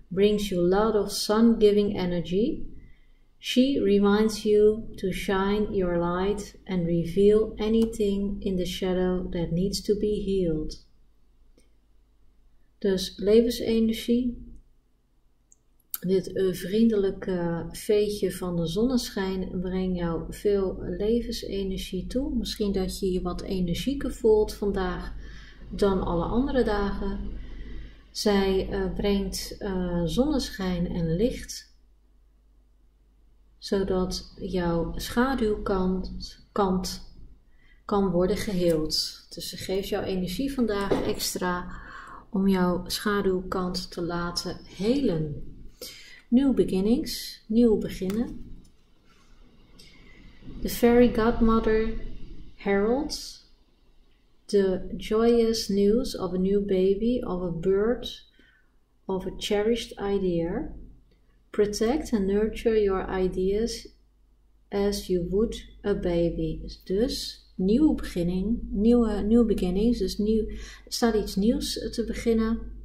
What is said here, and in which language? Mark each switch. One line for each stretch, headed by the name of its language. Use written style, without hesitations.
English: Brings you a lot of sun-giving energy. She reminds you to shine your light and reveal anything in the shadow that needs to be healed.
Dutch: Dus levensenergie, dit vriendelijke veetje van de zonneschijn brengt jou veel levensenergie toe. Misschien dat je je wat energieker voelt vandaag dan alle andere dagen. Zij brengt zonneschijn en licht, zodat jouw schaduwkant kan worden geheeld. Dus ze geeft jouw energie vandaag extra om jouw schaduwkant te laten helen.
English: New beginnings,
Dutch: nieuw beginnen.
English: The Fairy Godmother heralds the joyous news of a new baby, of a birth, of a cherished idea. Protect and nurture your ideas as you would a baby.
Dutch: Dus nieuw beginning,
English: new beginnings,
Dutch: dus nieuw, staat iets nieuws te beginnen.